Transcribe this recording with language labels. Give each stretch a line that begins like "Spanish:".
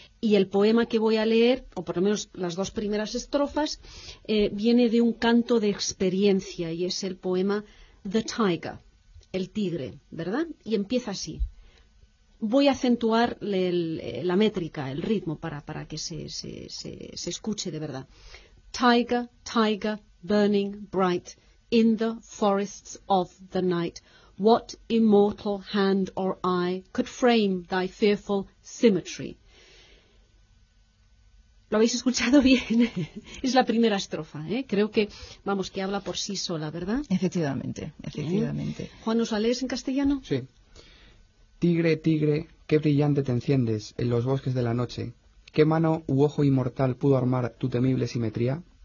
Spanish: Y el poema que voy a leer, o por lo menos las dos primeras estrofas, viene de un canto de experiencia, y es el poema The Tiger, el tigre, ¿verdad? Y empieza así. Voy a acentuar la métrica, el ritmo, para que se escuche de verdad.
English: Tiger, tiger, burning bright, in the forests of the night, what immortal hand or eye could frame thy fearful symmetry?
Spanish: ¿Lo habéis escuchado bien? Es la primera estrofa, Creo que, vamos, que habla por sí sola, ¿verdad? Efectivamente, efectivamente. ¿Eh? Juan, ¿nos la lees en castellano? Sí. Tigre, tigre, qué brillante te enciendes en los bosques de la noche. ¿Qué mano u ojo inmortal pudo armar tu temible simetría?